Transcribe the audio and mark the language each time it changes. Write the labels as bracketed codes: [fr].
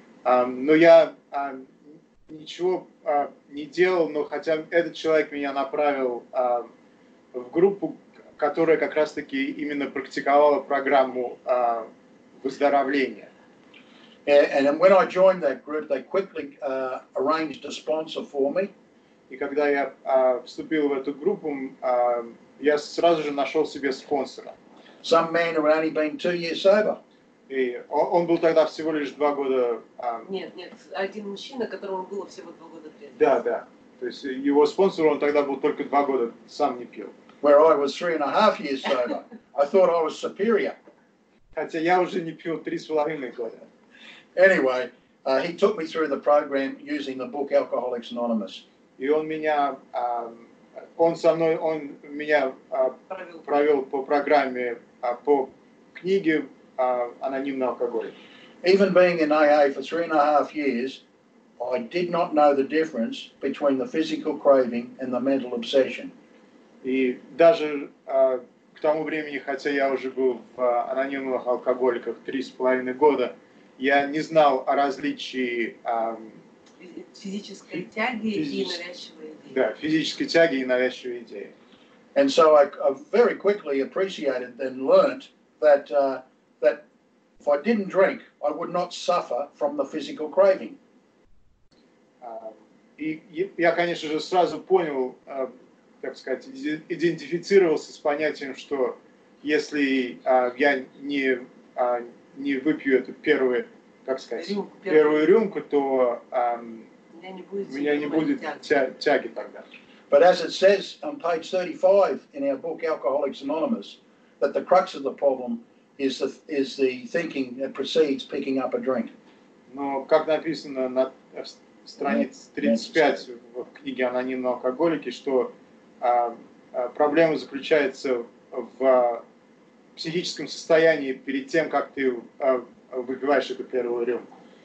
[ru] Но я ничего не делал, но хотя этот человек меня направил в группу, которая как раз-таки именно практиковала программу выздоровления. [en] And when I joined that group, they quickly arranged a sponsor for me. [ru] И когда я вступил в эту группу, я сразу же нашел себе спонсора. [en] Some man who had only been 2 years sober. [ru] И он был тогда всего лишь 2 года. Один мужчина, которому было всего 2 года трезвым. Да. То есть его спонсор, он тогда был только 2 года, сам не пил. [en] Where I was 3.5 years sober, I thought I was superior. [ru] Хотя я уже не пил 3.5 года. [en] Anyway, he took me through the program using the book Alcoholics Anonymous. [ru] И он меня, он со мной, он меня провел по программе, по книге «Анонимный алкоголик». [en] Even being in AA for 3.5 years, I did not know the difference between the physical craving and the mental obsession. [ru] И даже к тому времени, хотя я уже был в анонимных алкоголиках 3.5 года, я не знал о различии физической тяги и навязчивой идеи. Да, физической тяги и навязчивой идеи. [en] And so I very quickly appreciated and learned that that if I didn't drink, I would not suffer from the physical craving. [ru] И я, конечно же, сразу понял, так сказать, идентифицировался с понятием, что если я не выпью эту первую, как сказать, первую рюмку, то меня не будет тяги тогда. [en] But as it says on page 35 in our book Alcoholics Anonymous, that the crux of the problem is the thinking that precedes picking up a drink. [ru] Но как написано на странице 35 в книге «Анонимные алкоголики», что проблема заключается в психическом состоянии перед тем, как ты выпиваешь эту первую рюмку.